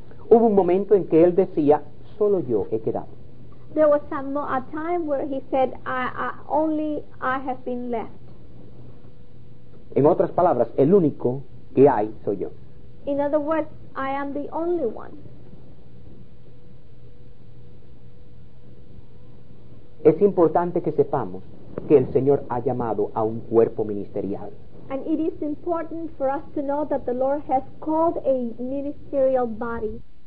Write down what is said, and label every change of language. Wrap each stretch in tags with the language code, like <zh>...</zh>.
<es>Hubo un momento en que él decía, solo yo he quedado.</es> <en>There was a time where he said, I have been left.</en> <es>En otras palabras, el único que hay soy yo.</es> <en>In other words, I am the only one.</en> <es>Es importante que sepamos que el Señor ha llamado a un cuerpo ministerial.</es> <en>And it is important for us to know that the Lord has called a ministerial body.</en>